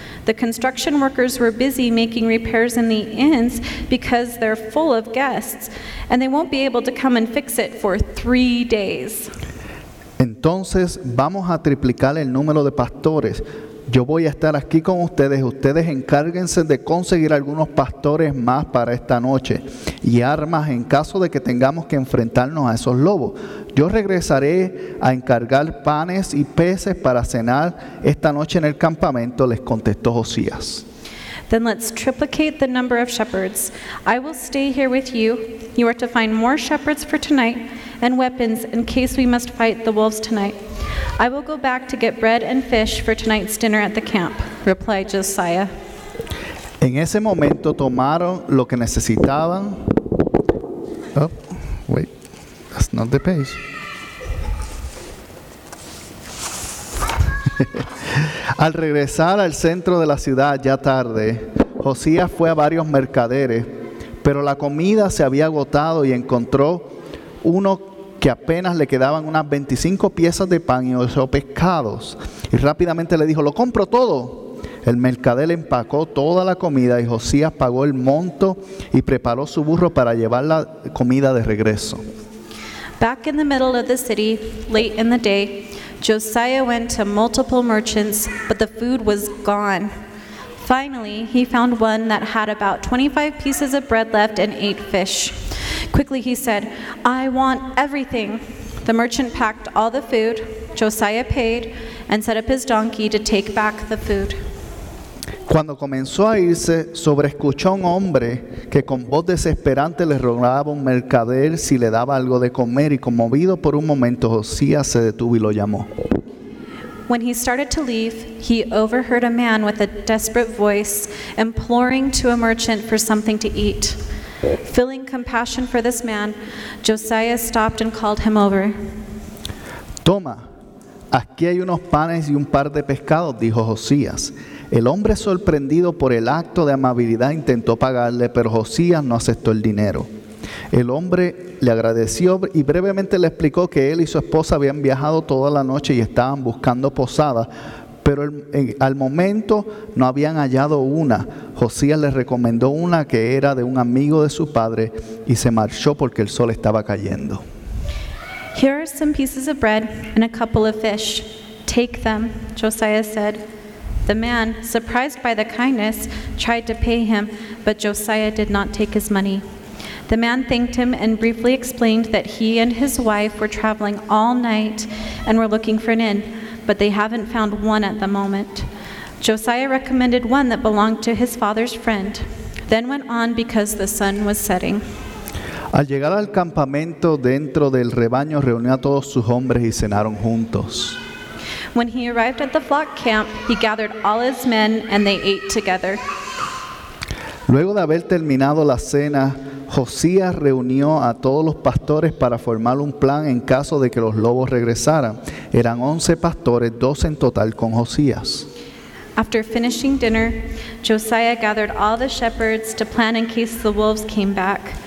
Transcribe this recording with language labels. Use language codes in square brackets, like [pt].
[en] The construction workers were busy making repairs in the inns because they're full of guests, and they won't be able to come and fix it for 3 days. [es] Entonces, vamos a triplicar el número de pastores. Yo voy a estar aquí con ustedes. Ustedes encárguense de conseguir algunos pastores más para esta noche y armas en caso de que tengamos que enfrentarnos a esos lobos. Yo regresaré a encargar panes y peces para cenar esta noche en el campamento, les contestó Josías. [en] Then let's triplicate the number of shepherds. I will stay here with you. You are to find more shepherds for tonight and weapons in case we must fight the wolves tonight. I will go back to get bread and fish for tonight's dinner at the camp, replied Josiah. [es] En ese momento tomaron lo que necesitaban. [en] Oh, wait, that's not the page. [es] Al regresar al centro de la ciudad ya tarde, Josías fue a varios mercaderes, pero la comida se había agotado y encontró uno que apenas le quedaban unas 25 piezas de pan y 8 pescados. Y rápidamente le dijo, lo compro todo. El mercader empacó toda la comida y Josías pagó el monto y preparó su burro para llevar la comida de regreso. [en] Back in the middle of the city, late in the day, Josiah went to multiple merchants, but the food was gone. Finally, he found one that had about 25 pieces of bread left and 8 fish. Quickly, he said, I want everything. The merchant packed all the food, Josiah paid, and set up his donkey to take back the food. [es] Cuando comenzó a irse, sobreescuchó un hombre que con voz desesperante le rogaba a un mercader si le daba algo de comer y conmovido por un momento, Josías se detuvo y lo llamó. [en] when he started to leave, he overheard a man with a desperate voice imploring to a merchant for something to eat. Feeling compassion for this man, Josiah stopped and called him over. [es] Toma, aquí hay unos panes y un par de pescados, dijo Josías. El hombre, sorprendido por el acto de amabilidad, intentó pagarle, pero Josías no aceptó el dinero. El hombre le agradeció y brevemente le explicó que él y su esposa habían viajado toda la noche y estaban buscando posada, pero al momento no habían hallado una. Josías le recomendó una que era de un amigo de su padre y se marchó porque el sol estaba cayendo. [en] Here are some pieces of bread and a couple of fish. Take them, Josiah said. The man, surprised by the kindness, tried to pay him, but Josiah did not take his money. The man thanked him and briefly explained that he and his wife were traveling all night and were looking for an inn, but they haven't found one at the moment. Josiah recommended one that belonged to his father's friend, then went on because the sun was setting. [es] Al llegar al campamento, dentro del rebaño, reunió a todos sus hombres y cenaron juntos. [en] When he arrived at the flock camp, he gathered all his men and they ate together. [es] Luego de haber terminado la cena, Josías reunió a todos los pastores para formar un plan en caso de que los lobos regresaran. Eran 11 pastores, 12 en total con Josías. [en] After finishing dinner, Josiah gathered all the shepherds to plan in case the wolves came back.